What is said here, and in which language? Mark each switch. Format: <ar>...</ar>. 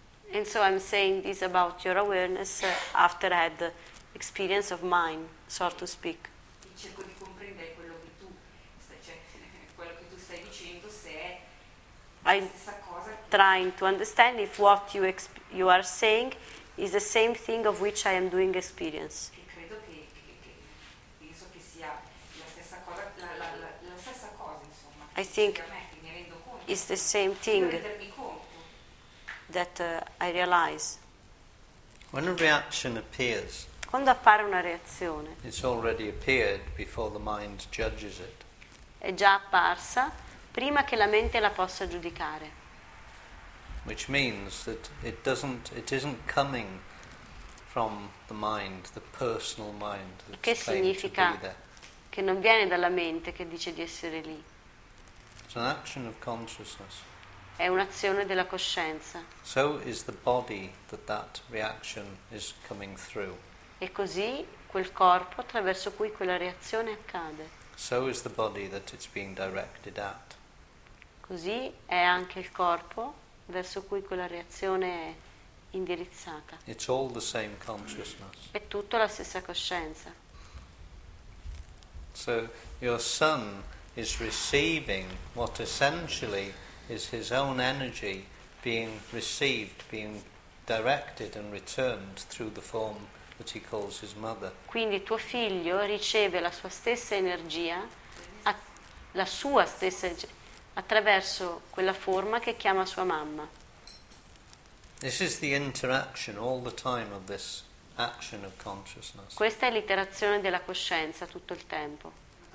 <en>And so I'm saying this about your awareness after I had the experience of mine, so to speak.</en> <it>Cerco di comprendere quello che tu stai, cioè, quello che tu stai dicendo, se è la stessa cosa.</it> <en>Trying to understand if what you are saying is the same thing of which I am doing experience.</en> <it>E credo che penso che sia la stessa cosa, la stessa cosa, insomma.</it> <en>I think is the same thing that I realize. When a reaction appears,</en> <it>quando appare una reazione,</it> <en>it's already appeared before the mind judges it.</en> <it>È già apparsa prima che la mente la possa giudicare.</it> <en>Which means that it isn't coming from the mind, the personal mind that's</en> <it>che significa</it> <en>claimed to be there.</en> <it>Che non viene dalla mente che dice di essere lì.</it> <en>It's an action of consciousness.</en> <it>È un'azione della coscienza.</it> <en>So is the body that reaction is coming through.</en> <it>E così quel corpo attraverso cui quella reazione accade.</it> <en>So is the body that it's being directed at.</en> <it>Così è anche il corpo verso cui quella reazione è indirizzata.</it> <en>It's all the same consciousness.</en> <it>È tutta la stessa coscienza.</it> <en>So your son is receiving what essentially is his own energy being received, being directed and returned through the form that he calls his mother.</en> <it>Quindi tuo figlio riceve la sua stessa energia, la sua stessa energia, attraverso quella forma che chiama sua mamma.</it> <en>This is the interaction all the time of this action of consciousness.</en> <it>Questa è l'interazione della coscienza tutto il tempo.</it>